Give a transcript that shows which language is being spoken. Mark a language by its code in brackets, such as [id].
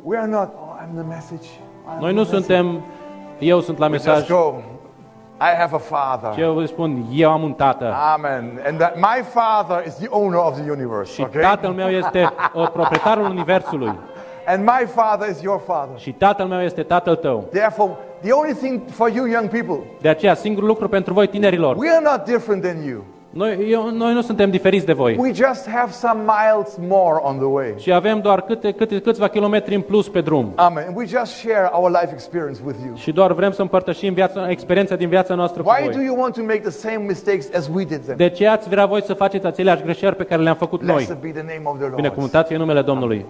[en] We are not, oh, I'm the message. I'm [ro] noi nu suntem, eu sunt la mesaj. [en] I have a father. [ro] Eu vă spun, eu am un tată. [en] Amen. And that my father is the owner of the universe, [ro] și tatăl meu este proprietarul universului. [en] And my father is your father. [ro] Și tatăl meu este tatăl tău. [en] Therefore, the only thing for you young people. [ro] De aceea singurul lucru pentru voi tinerilor. [en] We are not different than you. [ro] Noi nu suntem diferiți de voi. [en] We just have some miles more on the way. [ro] Și avem doar câțiva kilometri în plus pe drum. [en] Amen. We just share our life experience with you. [ro] Și doar vrem să împărtășim experiența din viața noastră cu [en] Why [ro] voi. [en] Why do you want to make the same mistakes as we did them? [ro] De ce ați vrea voi să faceți aceleași greșeli pe care le-am făcut noi? [en] Blessed be the name of the Lord. [ro] Binecuvântat fie numele Domnului.